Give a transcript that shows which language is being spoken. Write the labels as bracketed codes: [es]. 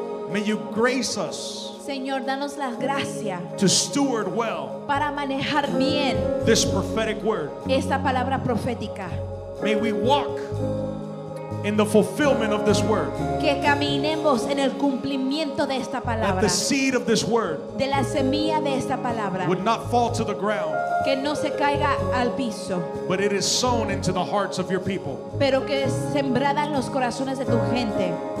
[en] May you grace us, [es] Señor, danos la gracia [en] to steward well [es] para manejar bien [en] this prophetic word. [es] Esta palabra profética. [en] May we walk in the fulfillment of this word. [es] Que caminemos en el cumplimiento de esta palabra. [en] That the seed of this word, [es] de la semilla de esta palabra, [en] would not fall to the ground. [es] Que no se caiga al piso. [en] But it is sown into the hearts of your people. [es] Pero que es sembrada en los corazones de tu gente.